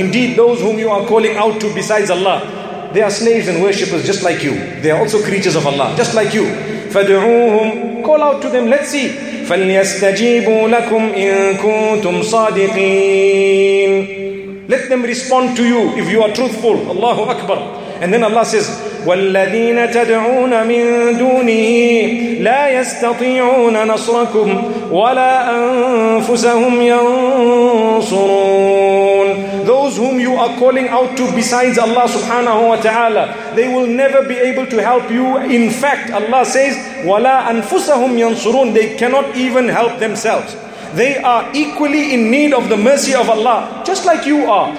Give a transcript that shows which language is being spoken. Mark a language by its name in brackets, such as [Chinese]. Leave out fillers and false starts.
[English] Indeed, those whom you are calling out to besides Allah, they are slaves and worshippers just like you. They are also creatures of Allah, just like you. [Arabic] فَدْعُوهُمْ. [English] Call out to them, let's see. [Arabic] فَلْيَسْتَجِيبُوا لَكُمْ إِن كُنتُمْ صَادِقِينَ. [English] Let them respond to you if you are truthful. Allahu Akbar. And then Allah says, [Arabic] والذين تدعون من دونه لا يستطيعون نصركم ولا أنفسهم ينصرون. [English] Those whom you are calling out to besides Allah subhanahu wa ta'ala, they will never be able to help you. In fact, Allah says, [Arabic] ولا أنفسهم ينصرون. [English] They cannot even help themselves. They are equally in need of the mercy of Allah, just like you are.